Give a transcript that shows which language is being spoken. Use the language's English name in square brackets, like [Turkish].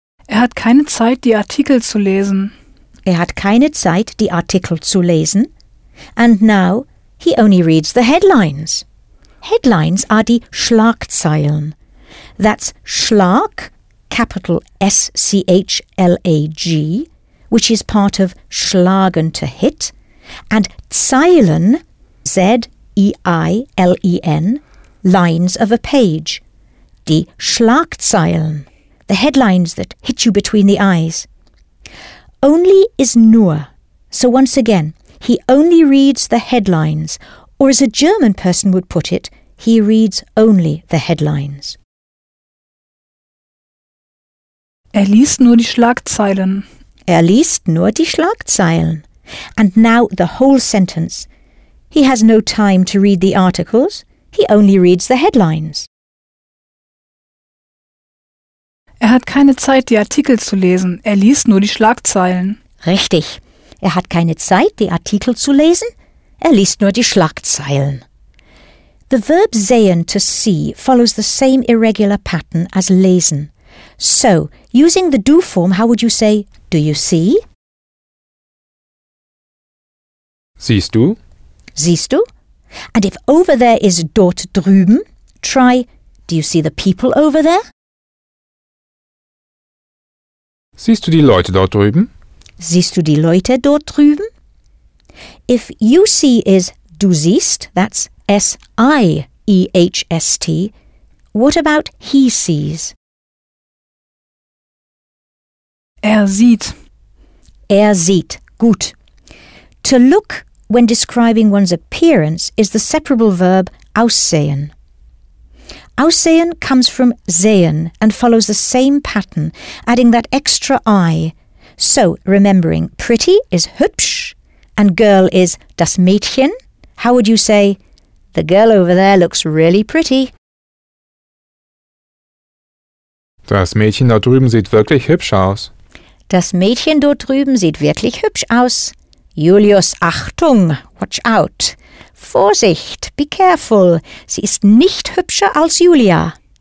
[German] Er hat keine Zeit, die Artikel zu lesen. Er hat keine Zeit, die Artikel zu lesen. [English] And now, he only reads the headlines. Headlines are die Schlagzeilen. That's Schlag, capital S-C-H-L-A-G, which is part of schlagen, to hit, and zeilen, Z-E-I-L-E-N, lines of a page, die Schlagzeilen, the headlines that hit you between the eyes. Only is nur, so once again, he only reads the headlines, or as a German person would put it, he reads only the headlines. [German] Er liest nur die Schlagzeilen. Er liest nur die Schlagzeilen. [English] And now the whole sentence. He has no time to read the articles. He only reads the headlines. [German] Er hat keine Zeit, die Artikel zu lesen. Er liest nur die Schlagzeilen. Richtig. Er hat keine Zeit, die Artikel zu lesen. Er liest nur die Schlagzeilen. [English] The verb sehen, to see, follows the same irregular pattern as lesen. So, using the do form, how would you say, do you see? [German] Siehst du? Siehst du? [English] And if over there is dort drüben, try, do you see the people over there? [German] Siehst du die Leute dort drüben? Siehst du die Leute dort drüben? [English] If you see is du siehst, that's S-I-E-H-S-T, what about he sees? [German] Er sieht. Er sieht. Gut. [English] To look when describing one's appearance is the separable verb aussehen. Aussehen comes from sehen and follows the same pattern, adding that extra I. So, remembering pretty is hübsch and girl is das Mädchen, how would you say, the girl over there looks really pretty? [German] Das Mädchen da drüben sieht wirklich hübsch aus. Das Mädchen dort drüben sieht wirklich hübsch aus. Julius, Achtung, [English] watch out. [German] Vorsicht, [English] be careful. [German] Sie ist nicht hübscher als Julia.